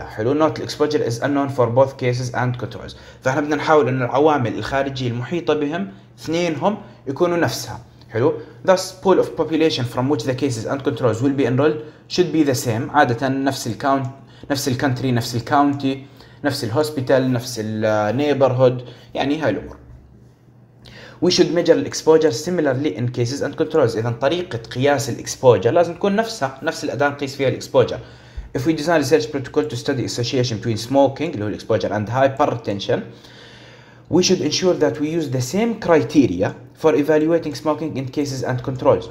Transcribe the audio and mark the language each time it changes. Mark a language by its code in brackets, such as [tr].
[en] حلو، not exposure is unknown for both cases and controls. [ar] فاحنا بدنا نحاول ان العوامل الخارجية المحيطة بهم اثنينهم يكونوا نفسها. [en] حلو، thus pool of population from which the cases and controls will be enrolled should be the same. [ar] عادة نفس الكاونت، نفس الكنتري، نفس الكاونتي، نفس الهوسبيتال، نفس النيبرهود، يعني هاي الأمور. [en] we should measure the exposure similarly in cases and controls. [ar] إذا طريقة قياس الإكسبوجر لازم تكون نفسها، نفس الأداة نقيس فيها الإكسبوجر. [en] if we design research protocol to study association between smoking [ar] اللي هو الإكسبوجر [en] and hypertension, we should ensure that we use the same criteria for evaluating smoking in cases and controls.